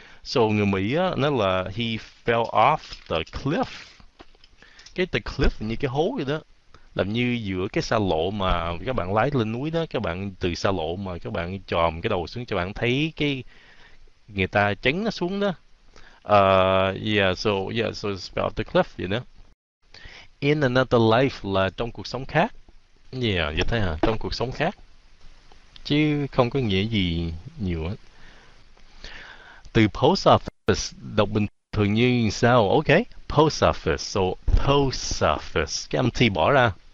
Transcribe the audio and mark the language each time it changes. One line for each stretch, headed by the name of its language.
Vietnamese: So người Mỹ á nó là
English: he fell off the cliff.
Vietnamese: Cái cliff như cái hố vậy đó. Làm như giữa cái xa lộ mà các bạn lái lên núi đó, các bạn từ xa lộ mà các bạn chòm cái đầu xuống cho bạn thấy cái người ta chấn nó xuống đó.
English: Yeah, so fell off the cliff, you know. In another life
Vietnamese: là trong cuộc sống khác. Yeah, vậy thế hả? Trong cuộc sống khác. Chứ không có nghĩa gì nhiều hết. Từ post office đọc bình thường như sao?
English: Ok, post office. So, post office.
Vietnamese: Cái âm T bỏ ra.